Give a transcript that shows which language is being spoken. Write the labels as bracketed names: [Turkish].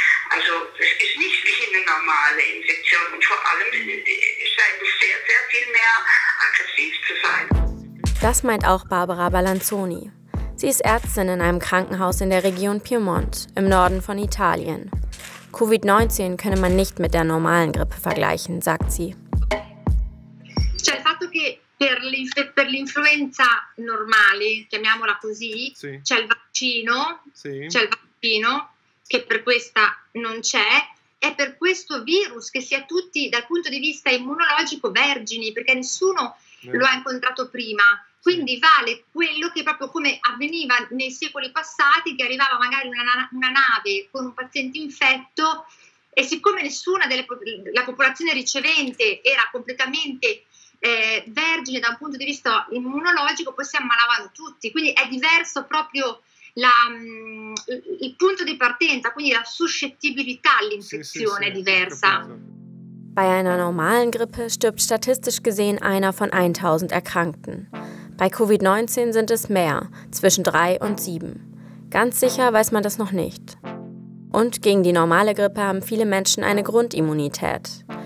[German] Also es ist nicht wie eine normale Infektion und vor allem scheint es sehr, sehr viel mehr aggressiv zu sein. Das meint auch Barbara Balanzoni. Sie ist Ärztin in einem Krankenhaus in der Region Piemont im Norden von Italien. Covid-19 könne man nicht mit der normalen Grippe vergleichen, sagt sie. [Italian] Cioè, il fatto che per l'influenza normale, chiamiamola così, sì. C'è il vaccino, sì. C'è il vaccino che per questa non c'è, è per questo virus che si è tutti dal punto di vista immunologico vergini, perché nessuno lo ha incontrato prima. Quindi vale quello che proprio come avveniva nei secoli passati, che arrivava magari una nave con un paziente infetto e siccome nessuna della popolazione ricevente era completamente vergine da un punto di vista immunologico, poi si ammalavano tutti. Quindi è diverso proprio il punto di partenza, quindi la suscettibilità all'infezione è diversa. [German] Bei einer normalen Grippe stirbt statistisch gesehen einer von 1000 Erkrankten. Bei Covid-19 sind es mehr, zwischen 3 und 7. Ganz sicher weiß man das noch nicht. Und gegen die normale Grippe haben viele Menschen eine Grundimmunität.